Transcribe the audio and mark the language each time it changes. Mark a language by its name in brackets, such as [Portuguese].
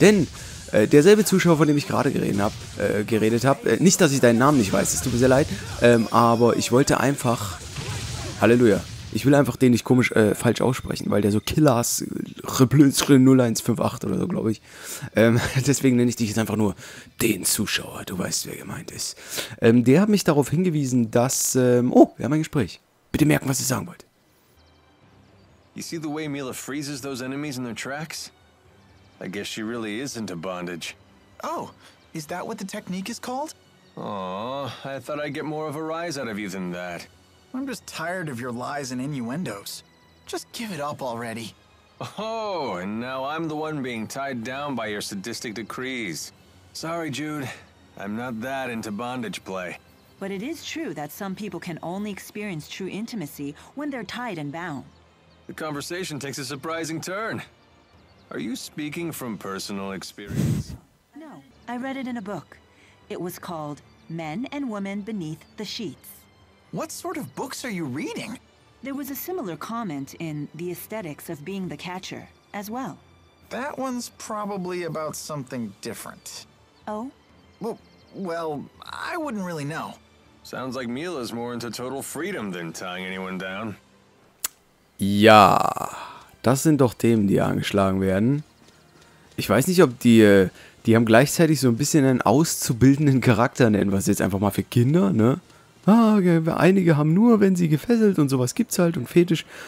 [German] Denn derselbe Zuschauer, von dem ich gerade geredet habe, nicht, dass ich deinen Namen nicht weiß, es tut mir sehr leid, aber ich wollte einfach, Halleluja, ich will einfach den nicht komisch falsch aussprechen, weil der so Killers, Reblöschen 0158 oder so, glaube ich. Deswegen nenne ich dich jetzt einfach nur den Zuschauer, du weißt, wer gemeint ist. Der hat mich darauf hingewiesen, dass, wir haben ein Gespräch. Bitte merken, was ich sagen wollte. [English] You see the way Mila freezes those enemies in their tracks? I guess she really is into bondage. Oh, is that what the technique is called? Aww, I thought I'd get more of a rise out of you than that. I'm just tired of your lies and innuendos. Just give it up already. Oh, and now I'm the one being tied down by your sadistic decrees. Sorry, Jude. I'm not that into bondage play. But it is true that some people can only experience true intimacy when they're tied and bound. The conversation takes a surprising turn. Are you speaking from personal experience? No, I read it in a book. It was called Men and Women Beneath the Sheets. What sort of books are you reading? There was a similar comment in The Aesthetics of Being the Catcher as well. That one's probably about something different. Oh? Well, I wouldn't really know. Sounds like Mila's more into total freedom than tying anyone down. [German] Ja, das sind doch Themen, die angeschlagen werden. Ich weiß nicht, ob die, die haben gleichzeitig so ein bisschen einen auszubildenden Charakter, nennen wir es jetzt einfach mal für Kinder, ne? Ah, einige haben nur, wenn sie gefesselt und sowas gibt's halt und Fetisch.